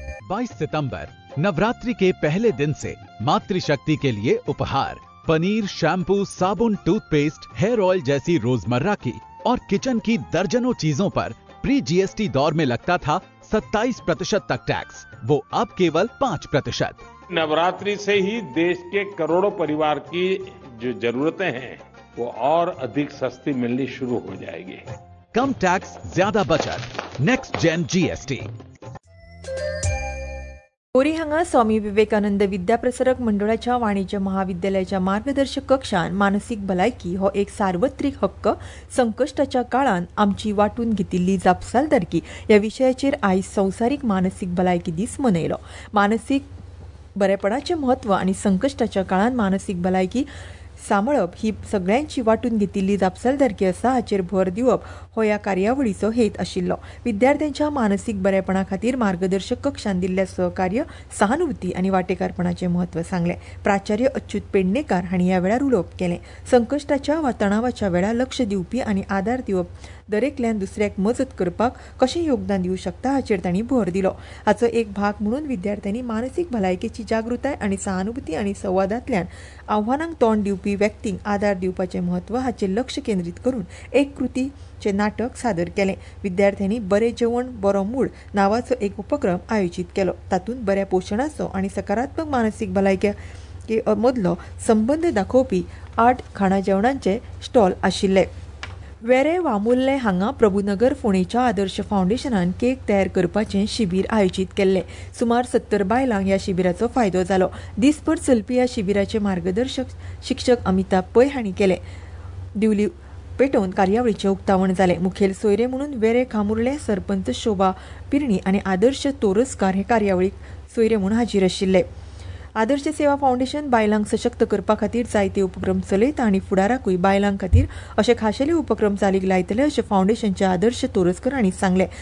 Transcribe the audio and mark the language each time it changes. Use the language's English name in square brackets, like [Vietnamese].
[Hindi] 22 सितंबर नवरात्रि के पहले दिन से मातृशक्ति के लिए उपहार पनीर शैम्पू साबुन टूथपेस्ट हेयर ऑयल जैसी रोजमर्रा की और किचन की दर्जनों चीजों पर प्री जीएसटी दौर में लगता था 27% तक टैक्स, वो अब केवल 5%. नवरात्रि से ही देश के करोड़ों परिवार की जो जरूरतें हैं वो और अधिक सस्ती मिलनी शुरू हो जाएगी. कम टैक्स ज्यादा बचत, नेक्स्ट जेन जीएसटी. [Konkani] पुरी हांगा स्वामी विवेकानंद विद्याप्रसारक मंडळाच्या वाणिज्य महाविद्यालयाच्या मार्गदर्शक कक्षान मानसीक भलायकी हो एक सार्वत्रिक हक्क, संकश्टाच्या काळान आमची वाटून घेतिल्ली जापसालदारकी या विशयाचेर आयज संवसारीक मानसीक भलायकी दीस मनयलो. मानसीक बरेपणाचे म्हत्व आनी संकश्टाच्या काळान मानसीक भलायकी सांबळप ही सगळ्यांची वाटून घेतिल्ली जापसालदारकी आसा हाचेर भर दिवप हो ह्या कार्यावळीचो हेत आशिल्लो. विद्यार्थ्यांच्या मानसीक बरेपणा खातीर मार्गदर्शक कक्षान दिल्ल्या सहकार्य सहानुभूती आनी वाटेकारपणाचे म्हत्व सांगले. प्राचार्य अच्युत पेडणेकार हांणी ह्या वेळार उलोवप केले. संकश्टाच्या वा तणावाच्या वेळार लक्ष दिवपी आनी आदार दिवप दरेकल्यान दुसऱ्याक मजत करपाक कशें योगदान दिवं शकता हाचेर तांणी भर दिलो. हाचो एक भाग म्हणून विद्यार्थ्यांनी मानसीक भलायकेची जागृताय आनी सहानुभूती आनी संवादांतल्यान आव्हानांक तोंड दिवपी व्यक्तींक आदार दिवपाचे म्हत्व हाचेर लक्ष केंद्रीत करून एक कृतीचे नाटक सादर केले. विद्यार्थ्यांनी बरे जेवण बरो मूळ नावाचो एक उपक्रम आयोजित केलो. तातूंत बऱ्या पोशणाचो आनी सकारात्मक मानसीक भलायके मदलो संबंध दाखोवपी 8 खाणा जेवणांचे स्टॉल आशिल्ले. वेरे वामुर्ले हांगा प्रभुनगर फोंडेच्या आदर्श फाउंडेशनान केक तयार करपाचे शिबीर आयोजित केल्ले. सुमार 70 बायलांक ह्या शिबिराचो फायदो झालो. दिसभर चलपी ह्या शिबिराचे मार्गदर्शक शिक्षक अमिताभ पै हांणी केले. दिवली पेटोवन कार्यावळीचे उक्तावण झाले. मुखेल सोयरे म्हणून वेरे खामुर्ले, सरपंच शोभा पिर्णी आनी आदर्श तोरसकार हे कार्यावळीक सोयरे म्हणून हाजीर आशिल्ले. आदर्श सेवा फाउंडेशन बायलांक सशक्त करपा खातीर जायते उपक्रम चलयता आनी फुडाराकूय बायलां खातीर अशे खाशेले उपक्रम चालीक लायतले अशें फाउंडेशनचे आदर्श तोरसकर हांणी सांगले.